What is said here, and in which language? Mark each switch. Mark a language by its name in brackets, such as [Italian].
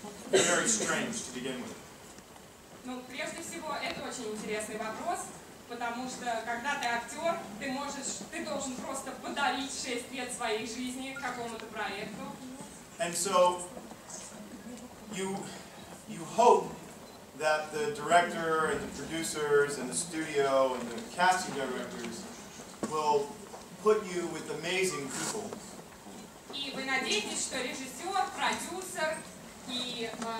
[Russian] Ну, прежде всего, это очень интересный вопрос, потому что, когда ты актер, ты должен просто подарить 6 лет своей жизни какому-то проекту. [English] And so, you hope that the director and the producers and the studio and the casting directors will put you with amazing people. [Russian] И вы надеетесь, что режиссер, продюсер и...